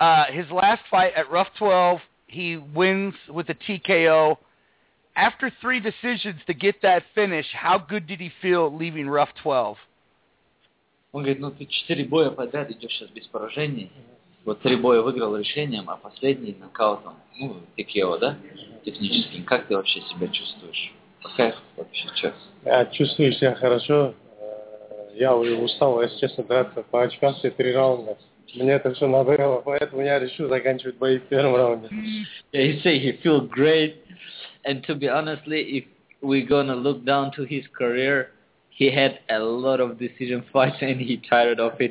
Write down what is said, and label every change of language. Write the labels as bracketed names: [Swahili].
[English] His last fight at rough 12, he wins with a TKO. After 3 decisions to get that finish, how good did he feel leaving rough 12? [Russian] Он говорит, ну ты 4 боя подряд идешь сейчас без поражений. Вот 3 боя выиграл решением, а последний нокаутом, ну, TKO, да, техническим. Как ты вообще себя чувствуешь? По кайфу вообще сейчас? Я чувствую себя хорошо. Я уже устал, если честно, драться по очкам все 3 раунда. Мне это все надоело, поэтому я решил заканчивать бои в первом раунде. [English] Yeah, he said he feels great. And to be honestly, if we're gonna look down to his career, he had a lot of decision fights and he tired of it.